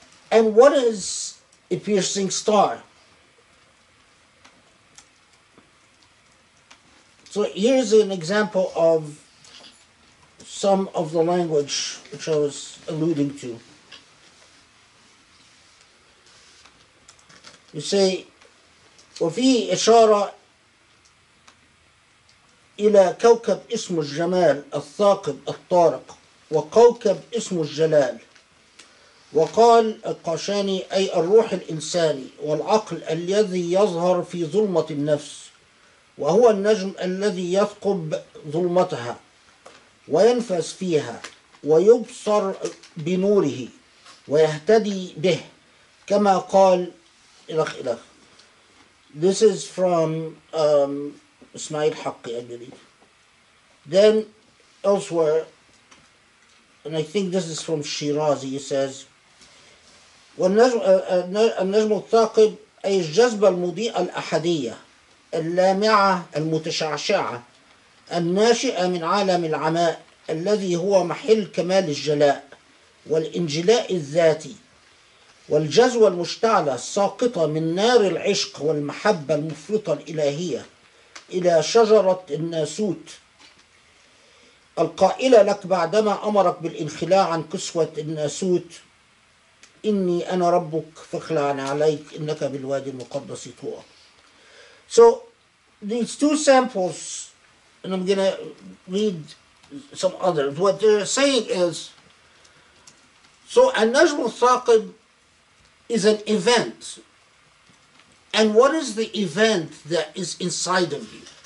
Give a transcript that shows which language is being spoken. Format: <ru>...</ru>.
<en>And what is a piercing star? So here's an example of some of the language which I was alluding to. You say,</en> <ar>وفي إشارة إلى كوكب اسم الجمال الثاقب الطارق وكوكب اسم الجلال وقال القشاني أي الروح الإنساني والعقل الذي يظهر في ظلمة النفس وهو النجم الذي يثقب ظلمتها وينفس فيها ويبصر بنوره ويهتدي به كما قال إلخ إلخ.</ar> <en>This is from Ismail Haqqi, I believe. Then elsewhere, and I think this is from Shirazi, he says,</en> <ar>النجم الثاقب أي الجذبة المضيئة الأحدية اللامعة المتشعشعة الناشئة من عالم العماء الذي هو محل كمال الجلاء والإنجلاء الذاتي والجذوة المشتعلة الساقطة من نار العشق والمحبة المفرطة الإلهية إلى شجرة الناسوت القائلة لك بعدما أمرك بالانخلاء عن كسوة الناسوت إني أنا ربك فاخلع عليك إنك بالوادي المقدس طوى.</ar> <en>So these two samples, and I'm gonna read some others. What they're saying is, so النجم الثاقب is an event. And what is the event that is inside of you?</en>